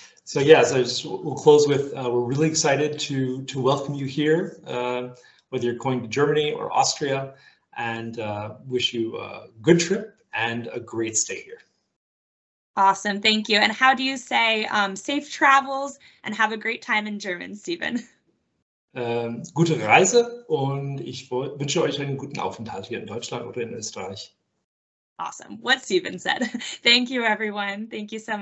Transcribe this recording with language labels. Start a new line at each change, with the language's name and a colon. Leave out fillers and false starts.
English: So yeah, so we'll close with, we're really excited to welcome you here, whether you're going to Germany or Austria, and wish you a good trip and a great stay here. Awesome, thank you. And how do you say safe travels and have a great time in German, Stephen?
German: Gute Reise und ich wünsche euch einen guten Aufenthalt hier in Deutschland oder in Österreich.
English: Awesome, what Stephen said. Thank you, everyone. Thank you so much.